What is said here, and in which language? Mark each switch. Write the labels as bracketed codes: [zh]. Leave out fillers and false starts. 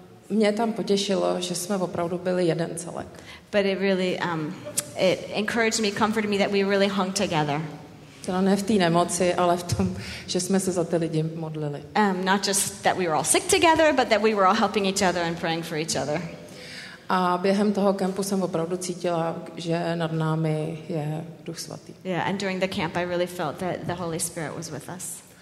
[cs] Mě tam potěšilo, že jsme opravdu byli jeden celek. [en] But it really it encouraged me, comforted me that we really hung together. [cs] Teda ne v té nemoci, ale v tom, že jsme se za ty lidi modlili. [en] Not just that we were all sick together, but that we were all helping each other and praying for each other. [cs] A během toho kempu jsem opravdu cítila, že nad námi je Duch Svatý. [en] Yeah, and during the camp I really felt that the Holy Spirit was with us.